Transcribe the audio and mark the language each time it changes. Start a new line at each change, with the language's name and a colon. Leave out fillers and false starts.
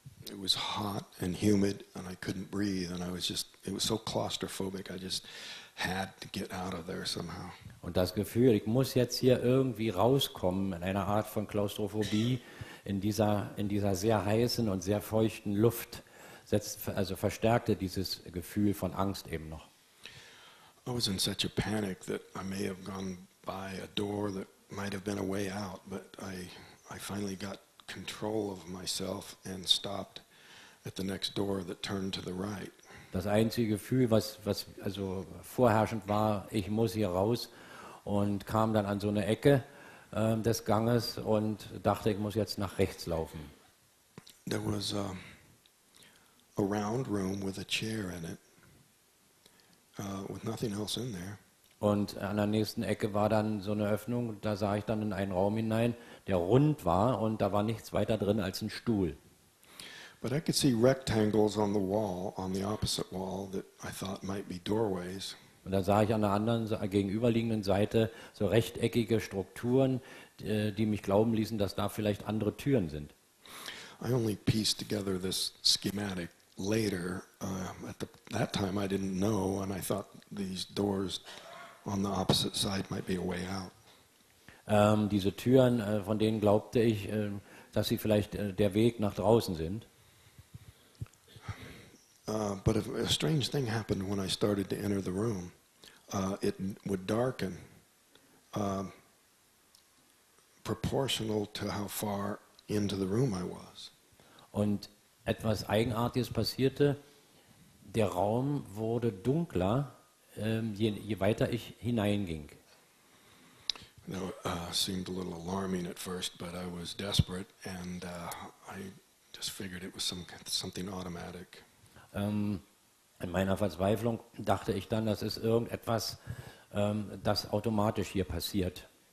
English: It was hot and humid and I couldn't breathe and I was just, it was so claustrophobic, I just had to get out of there somehow.
German: Und das Gefühl, ich muss jetzt hier irgendwie rauskommen, in einer Art von Klaustrophobie, in dieser sehr heißen und sehr feuchten Luft, also verstärkte dieses Gefühl von Angst eben noch.
English: I was in such a panic that I may have gone by a door that might have been a way out, but I finally got control of myself and stopped at the next door that turned to the right.
German: Das einzige Gefühl, was also vorherrschend war, ich muss hier raus, und kam dann an so eine Ecke des Ganges und dachte, ich muss jetzt nach rechts laufen.
English: There was a round room with a chair in it, with nothing else in there.
German: Und an der nächsten Ecke war dann so eine Öffnung, da sah ich dann in einen Raum hinein, der rund war, und da war nichts weiter drin als ein Stuhl.
English: But I could see rectangles on the wall, on the opposite wall, that I thought might be doorways.
German: Und dann sah ich an der anderen, gegenüberliegenden Seite so rechteckige Strukturen, die mich glauben ließen, dass da vielleicht andere Türen sind.
English: I only pieced together this schematic later. At that time I didn't know, and I thought these doors on the opposite side might be a way out.
German: Diese Türen, von denen glaubte ich, dass sie vielleicht der Weg nach draußen sind.
English: But a strange thing happened when I started to enter the room. It would darken proportional to how far into the room I was.
German: Und etwas Eigenartiges passierte, der Raum wurde dunkler, je weiter ich hineinging.
English: Now, seemed a little alarming at first, but I was desperate and I just figured it was something automatic.
German: In meiner Verzweiflung dachte ich dann, das ist irgendetwas, das automatisch hier passiert.